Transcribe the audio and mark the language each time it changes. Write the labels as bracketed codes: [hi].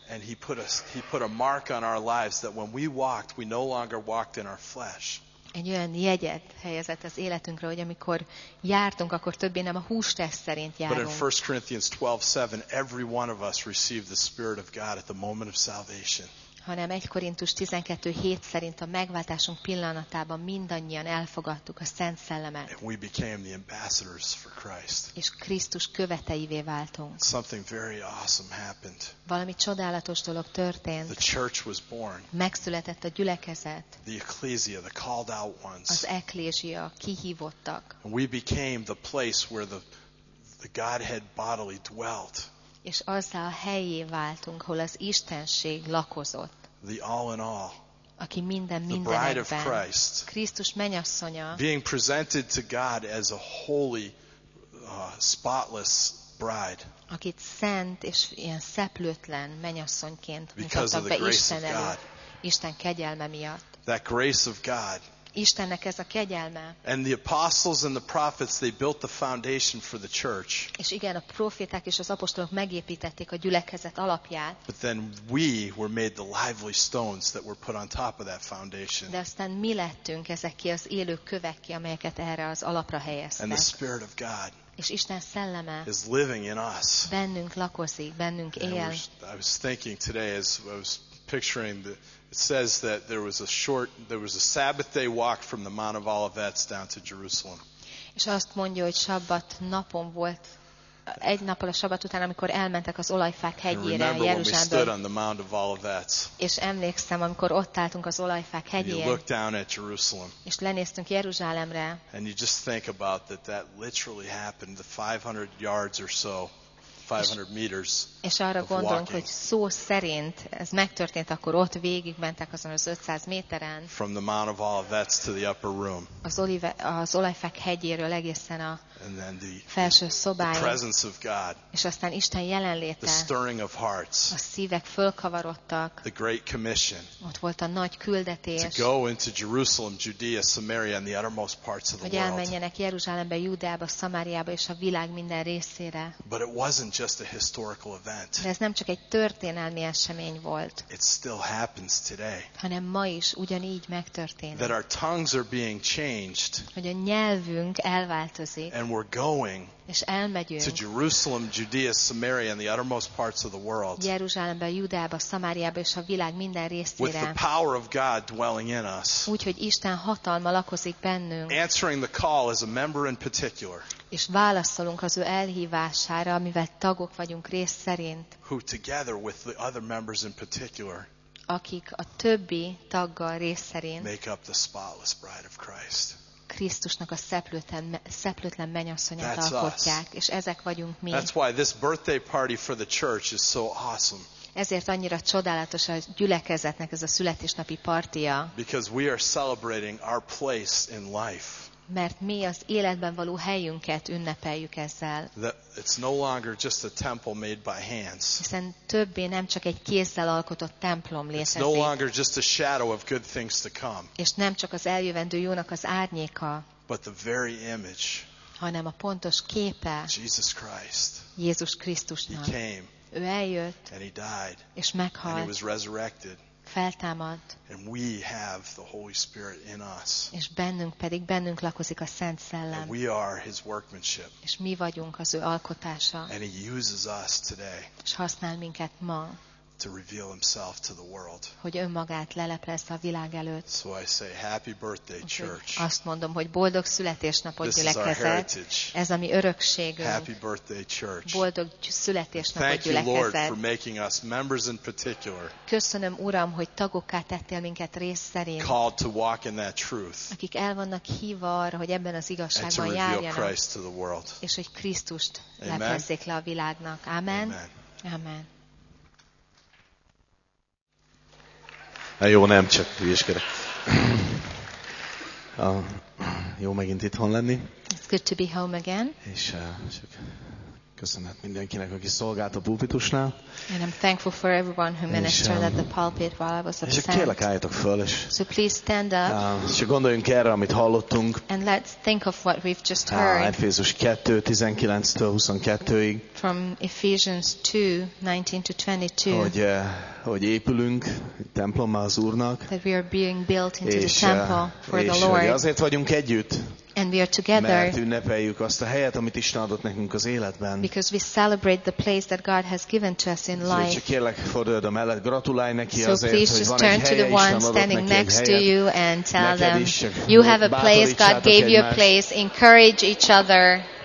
[en] And he put a mark on our lives that when we walked, we no longer walked in our flesh. [hu] Egy olyan jegyet helyezett az életünkre, hogy amikor jártunk, akkor többé nem a hústest szerint járunk. [en] But in 1 Corinthians 12:7, every one of us received the Spirit of God at the moment of salvation. [hu] hanem 1 Korintus 12:7 szerint a megváltásunk pillanatában mindannyian elfogadtuk a Szent Szellemet. [en] And we became the ambassadors for Christ. [hu] És Krisztus követeivé váltunk. [en] Something very awesome happened. [hu] Valami csodálatos dolog történt. [en] The church was born. [hu] Megszületett a gyülekezet. [en] The ecclesia, the called out ones. [hu] Az eklézia, kihívottak. [en] And we became the place where the Godhead bodily dwelt. [hu] És azzal a helyé váltunk, hol az Istenség lakozott. [en] The all in all, [hu] aki minden mindenekben, Krisztus mennyasszonya, [en] being presented to God as a holy, spotless bride, [hu] akit szent és ilyen szeplőtlen mennyasszonyként mutattak be Isten előtt, Isten kegyelme miatt. [en] That grace of God. [hu] Istennek ez a kegyelme. [en] And the apostles and the prophets, they built the foundation for the church. [hu] És igen, a proféták és az apostolok megépítették a gyülekezet alapját. [en] But then we were made the lively stones that were put on top of that foundation. [hu] De aztán mi lettünk ezek ki az élő kövek ki, amelyeket erre az alapra helyeztek. [en] And the Spirit of God. [hu] És Isten szelleme. [en] Is living in us. [hu] Bennünk lakozik, bennünk él. [en] I was thinking today as I was picturing the. It says that there was a Sabbath day walk from the Mount of Olivets down to Jerusalem. [hu] És azt mondja, hogy sabbat napon volt egy nappal a sabbat után, amikor elmentek az olajfák hegyére Jeruzsálembe. És emlékszem, amikor ott álltunk az olajfák hegyén. [en] You look down at Jerusalem. [hu] És lenéztünk Jeruzsálemre. [en] And you just think about that literally happened, the 500 yards or so. 500 meters. [hu] És arra gondolunk, hogy szó szerint ez megtörtént, akkor ott végigmentek azon az 500 méteren. [en] From the Mount of Olivets to the upper room. [hu] Az olajfák hegyéről egészen a felső szobáig. [en] The presence of God. [hu] És aztán Isten jelenléte. [en] The stirring of hearts. [hu] A szívek fölkavarodtak. [en] The great commission. [hu] Ott volt a nagy küldetés. [en] To go into Jerusalem, Judea, Samaria and the uttermost parts of the world. [hu] Hogy elmenjenek Jeruzsálembe, Júdeába, Szamáriába és a világ minden részére. [en] But it wasn't just a historical event. [hu] De ez nem csak egy történelmi esemény volt. [en] It still happens today. [hu] Hanem ma is ugyanígy megtörténik. [en] That our tongues are being changed. [hu] Hogy a nyelvünk elváltozik. [en] And we're going. [hu] És elmegyünk. [en] To Jerusalem, Judea, Samaria and the uttermost parts of the world. [hu] Jeruzsálembe, Júdeába, Szamáriába és a világ minden részére. [en] With the power of God dwelling in us. [hu] Úgy, hogy Isten hatalma lakozik bennünk. [en] Answering the call as a member in particular. [hu] És válaszolunk az ő elhívására, amivel tagok vagyunk rész szerint. [en] Who together with the other members in particular. [hu] Akik a többi taggal rész szerint. [en] Make up the spotless bride of Christ. [hu] Krisztusnak a szeplőtlen mennyasszonyát alkotják, és ezek vagyunk mi. [en] That's why this birthday party for the church is so awesome. [hu] Ezért annyira csodálatos a gyülekezetnek ez a születésnapi partia. [en] Because we are celebrating our place in life. [hu] Mert mi az életben való helyünket ünnepeljük ezzel. [en] It's no longer just a temple made by hands. [hu] Hiszen többé nem csak egy kézzel alkotott templom létezik. [en] It's no longer just a shadow of good things to come. [hu] És nem csak az eljövendő jónak az árnyéka. [en] But the very image. [hu] Hanem a pontos képe. [en] Jesus Christ. [hu] Jézus Krisztusnak. [en] He came. [hu] Ő eljött. [en] And he died. [hu] És meghalt. [en] And he was resurrected. [hu] Feltámadt. [en] And we have the Holy Spirit in us. [hu] És bennünk pedig bennünk lakozik a Szent Szellem. [en] And we are his workmanship. [hu] És mi vagyunk az ő alkotása. [en] And he uses us today. [hu] És használ minket ma. [en] To reveal himself to the world. [hu] Hogy önmagát leleplezze a világ előtt. [en] So I say happy birthday church. [hu] Azt mondom, hogy boldog születésnapot gyülekezet. Ez a mi örökségünk. [en] Happy birthday church. [hu] Boldog születésnapot gyülekezet. [en] Thank you Lord for making us members in particular. [hu] Köszönöm Uram, hogy tagokká tettél minket rész szerint. [en] Called to walk in that truth. [hu] Akik el vannak hívva arra, hogy ebben az igazságban járjanak. [en] And to reveal Christ to the world. [hu] És hogy Krisztust leplezzék le a világnak. [en] Amen. [hu] Amen. Na jó, nem csak hülyeskedek. Jó megint itthon lenni. [en] It's good to be home again. [hu] És sok köszönet mindenkinek, aki szolgált a pulpitusnál. [en] And I'm thankful for everyone who ministered at the pulpit while I was absent. [hu] És kérlek, álljatok föl, és [en] so please stand up. [hu] És gondoljunk erre, amit hallottunk. [en] And let's think of what we've just heard. [hu] Efézus 2:19-22. [en] From Ephesians 2:19-22. [hu] Hogy épülünk templommá az Úrnak. [en] That we are being built into the temple for the Lord. [hu] És hogy azért vagyunk együtt. [en] And we are together. [hu] Mert ünnepeljük azt a helyet, amit Isten adott nekünk az életben. [en] Because we celebrate the place that God has given to us in life. [hu] Úgyhogy kérlek, forduljad a mellett, gratulálj neki azért, hogy van egy helye, Isten adott neki egy helyet. [en] So please just turn to the one standing next to you and tell them, you have a place, God gave you a place, encourage each other.